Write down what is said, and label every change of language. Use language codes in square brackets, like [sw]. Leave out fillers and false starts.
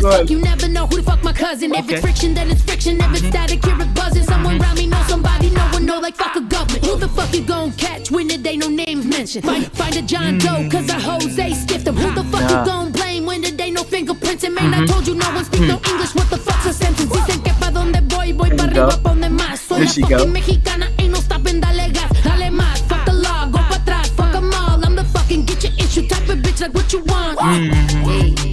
[en] fuck, you never know who the fuck my cousin. If it's friction, then it's friction. If it's static, hear it buzzing. Someone around me know somebody, no one know like fuck a government. Who the fuck you gon' catch when it ain't no names mentioned? Find a John Doe, cause a Jose stiffed him. Who the fuck you gon' blame when it ain't no fingerprints? And man, I told you no one speaks no English. What the fuck's a sentence? [es] Dicen que pa' donde voy, voy pa' arriba pa' donde más. Soy la fucking Mexicana, [en] ain't no stopping, [es] dale gas. Dale más, [en] fuck the law, go [es] pa' atrás. [en] Fuck them all, I'm the fucking get your issue type of bitch like what you want.